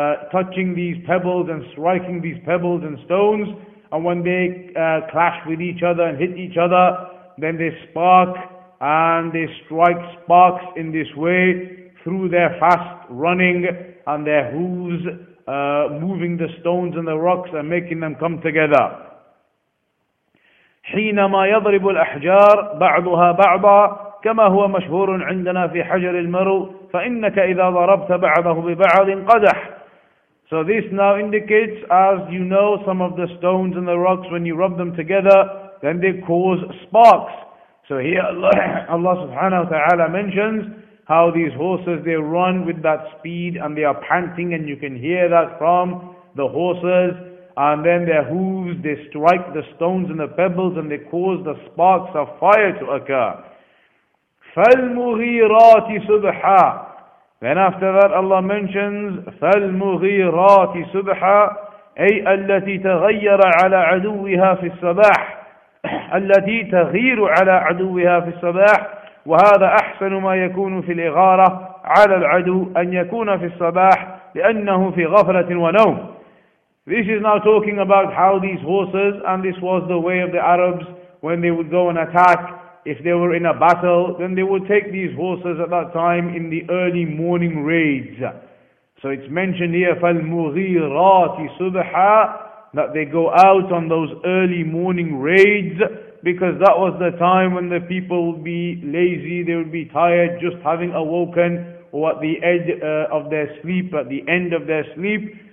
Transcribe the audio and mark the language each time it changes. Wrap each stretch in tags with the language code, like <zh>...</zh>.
<en>touching these pebbles and striking these pebbles and stones, and when they clash with each other and hit each other, then they spark and they strike sparks in this way through their fast running and their hooves moving the stones and the rocks and making them come together.</en> <ar>حينما يضرب الأحجار بعضها بعضا كما هو مشهور عندنا في حجر المرو فإنك إذا ضربت بعضه ببعض قدح.</ar> <en>So this now indicates, as you know, some of the stones and the rocks, when you rub them together, then they cause sparks. So here Allah subhanahu wa ta'ala mentions how these horses, they run with that speed and they are panting, and you can hear that from the horses. And then their hooves, they strike the stones and the pebbles and they cause the sparks of fire to occur.</en> <ar>فَالْمُغِيرَاتِ سُبْحَى.</ar> <en>Then after that Allah mentions</en> <ar>فَالْمُغِيرَاتِ سُبْحَى أي الَّتِي تَغَيَّرَ عَلَى عَدُوِّهَا فِي الصَّبَاحِ الَّتِي تَغِيرُ عَلَى عَدُوِّهَا فِي الصَّبَاحِ وَهَذَا أَحْسَنُ مَا يَكُونُ فِي الْإِغَارَةِ عَلَى الْعَدُوِّ أَنْ يَكُونَ فِي الصَّبَاحِ لِأَنَّهُ فِي غَفْلَةٍ وَنَوْمٍ.</ar> <en>This is now talking about how these horses, and this was the way of the Arabs when they would go and attack. If they were in a battle, then they would take these horses at that time in the early morning raids. So it's mentioned here,</en> <ar>فَالْمُغِيرَاتِ سُبْحَى,</ar> <en>that they go out on those early morning raids, because that was the time when the people would be lazy, they would be tired, just having awoken, or at the edge of their sleep, at the end of their sleep.</en>